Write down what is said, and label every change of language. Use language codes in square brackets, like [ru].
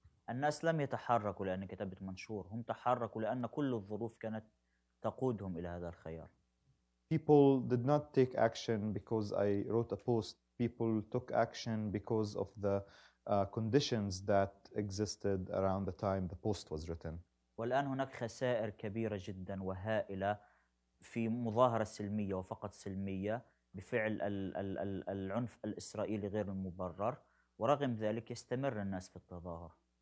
[ar] الناس لم يتحركوا لأن كتبت منشور. هم تحركوا لأن كل الظروف كانت تقودهم إلى هذا الخيار. [en] People did not take action because I wrote a post. People took action because of the conditions that existed around the time the post was written. [ar] والآن هناك خسائر كبيرة جدا وهائلة في مظاهرة سلمية وفقط سلمية بفعل العنف الإسرائيلي غير المبرر ورغم ذلك يستمر الناس في التظاهر.